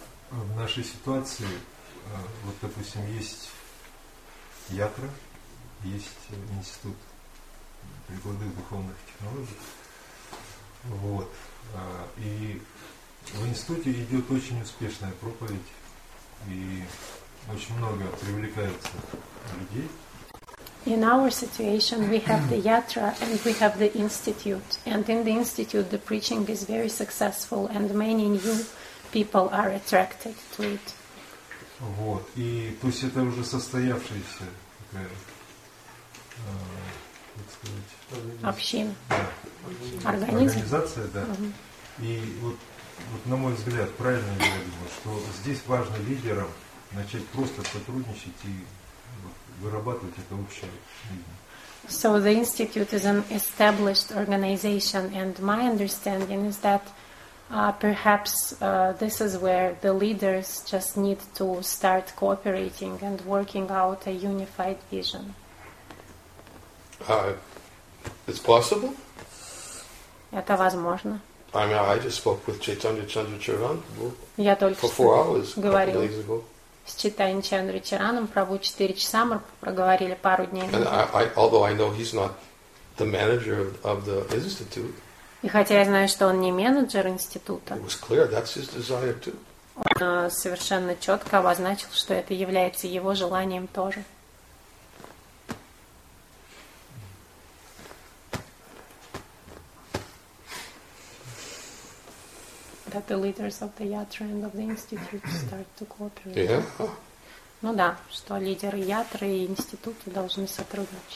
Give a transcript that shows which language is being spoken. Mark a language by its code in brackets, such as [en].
[ru] в нашей ситуации, вот, допустим, есть ятра, есть институт прикладных духовных технологий. Вот. И в институте идет очень успешная проповедь, и очень много привлекается людей. [en] In our situation, we have the Yatra and we have the Institute. And in the Institute, the preaching is very successful and many new people are attracted to it. [ru] Вот. И то есть это уже состоявшаяся такая, как сказать, община. Да. Организация, да. И вот, вот на мой взгляд, правильно я думаю, что здесь важно лидерам начать просто сотрудничать и вырабатывать это общее. [en] So the institute is an established organization, and my understanding is that perhaps this is where the leaders just need to start cooperating and working out a unified vision. It's possible. [ru] Это возможно. [en] I mean, I just spoke with Chaitanya Chandracharan for 4 hours [ru] говорил. [en] A couple days ago. [ru] С Чайтаньей Чандрачараном Прабху 4 часа мы проговорили пару дней. [en] Although I know he's not the manager of the institute. [ru] И хотя я знаю, что он не менеджер института. [en] It was clear that's his desire too. [ru] Он совершенно четко обозначил, что это является его желанием тоже. [en] That the leaders of the Yatra and of the Institute start to cooperate. Yeah. [ru] Ну да, что лидеры Ятры и Института должны сотрудничать.